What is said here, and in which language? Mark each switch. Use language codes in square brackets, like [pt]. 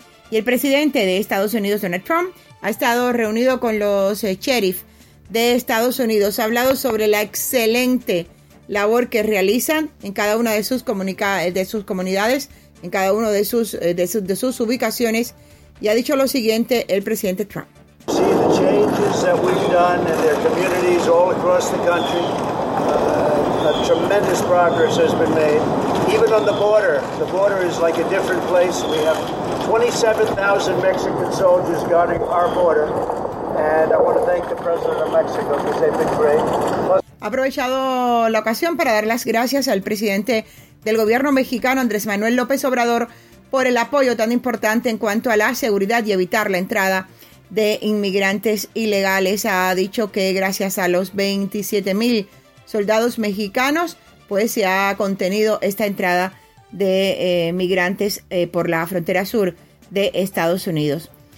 [es] Y el presidente de Estados Unidos, Donald Trump, ha estado reunido con los sheriffs de Estados Unidos. Ha hablado sobre la excelente labor que realizan en cada una de sus comunidades, en cada una de sus ubicaciones. Y ha dicho lo siguiente el presidente Trump. [en] See the changes that we've done in their communities all across the country. A tremendous progress has been made. Even on the border is like a different place. We have 27,000 Mexican soldiers guarding our border. And I want to thank the president of Mexico because they've been great. [es] Ha aprovechado la ocasión para dar las gracias al presidente del gobierno mexicano, Andrés Manuel López Obrador, por el apoyo tan importante en cuanto a la seguridad y evitar la entrada de inmigrantes ilegales. Ha dicho que gracias a los 27 mil soldados mexicanos, pues se ha contenido esta entrada de migrantes por la frontera sur de Estados Unidos.